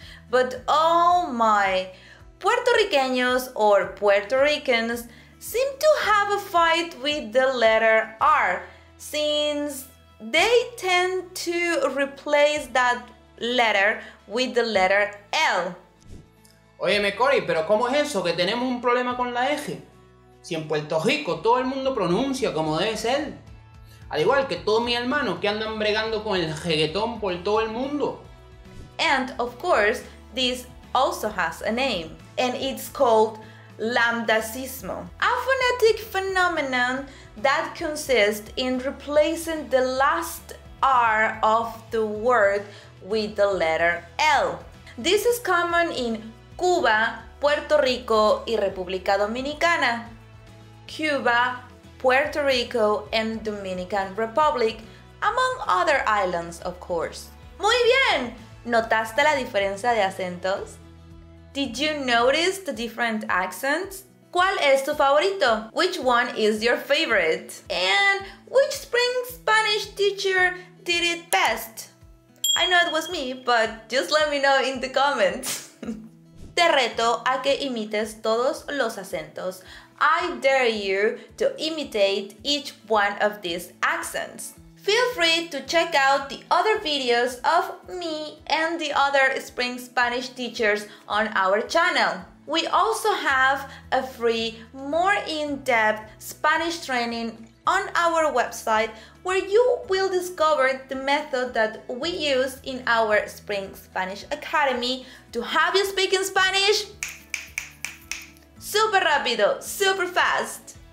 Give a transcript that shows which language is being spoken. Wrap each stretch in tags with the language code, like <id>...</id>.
<en>But oh my, puertorriqueños or Puerto Ricans seem to have a fight with the letter R since they tend to replace that letter with the letter L.</en> <es>Óyeme Cory, pero ¿cómo es eso que tenemos un problema con la eje? Si en Puerto Rico todo el mundo pronuncia como debe ser. Al igual que todos mis hermanos que andan bregando con el reggaetón por todo el mundo.</es> <en>And of course, this also has a name, and it's called Lambdacismo. A phonetic phenomenon that consists in replacing the last R of the word with the letter L. This is common in Cuba, Puerto Rico</en> <es>y República Dominicana.</es> <en>Cuba, Puerto Rico and Dominican Republic, among other islands, of course.</en> <es>¡Muy bien! ¿Notaste la diferencia de acentos?</es> <en>Did you notice the different accents?</en> <es>¿Cuál es tu favorito?</es> <en>Which one is your favorite? And which spring Spanish teacher did it best? I know it was me, but just let me know in the comments.</en> <es>Te reto a que imites todos los acentos.</es> <en>I dare you to imitate each one of these accents. Feel free to check out the other videos of me and the other Spring Spanish teachers on our channel. We also have a free, more in-depth Spanish training on our website where you will discover the method that we use in our Spring Spanish Academy to have you speak in Spanish super rápido, super fast.</en>